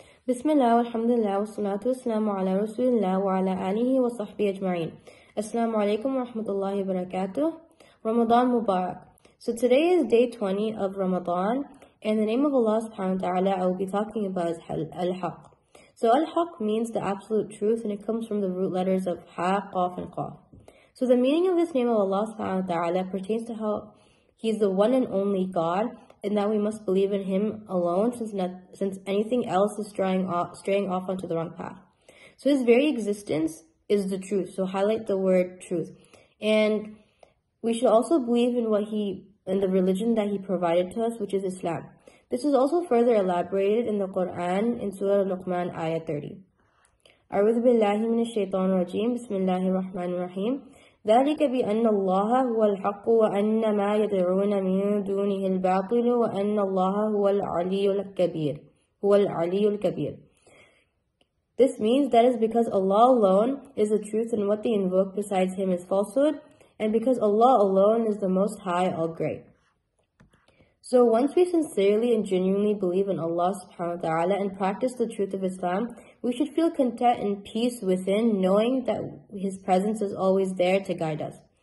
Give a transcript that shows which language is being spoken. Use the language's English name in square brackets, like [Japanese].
[Arabic] بسم الله والحمد لله والصلاة والسلام على رسول الله وعلى آله وصحبه أجمعين. السلام عليكم ورحمة الله وبركاته. رمضان مبارك. [English] So today is day 20 of Ramadan. In the name of Allah subhanahu wa ta'ala, I will be talking about al-haq. So al-haq means the absolute truth, and it comes from the root letters of ha, qaf, and qaf. So the meaning of this name of Allah subhanahu wa ta'ala pertains to how He's the one and only God, and that we must believe in Him alone, since anything else is straying off onto the wrong path. So His very existence is the truth. So highlight the word truth. And we should also believe in the religion that He provided to us, which is Islam. This is also further elaborated in the Quran in Surah Al-Luqman, Ayah 30. [Arabic] أعوذ بالله من الشيطان الرجيم بسم الله الرحمن الرحيم ذلك بأن الله هو الحق وأن ما يدعون من دونه الباطل وأن الله هو العلي الكبير هو العلي الكبير. [English] This means that is because Allah alone is the truth and what they invoke besides Him is falsehood, and because Allah alone is the most high, all great. So once we sincerely and genuinely believe in Allah subhanahu wa ta'ala and practice the truth of Islam, we should feel content and peace within, knowing that His presence is always there to guide us.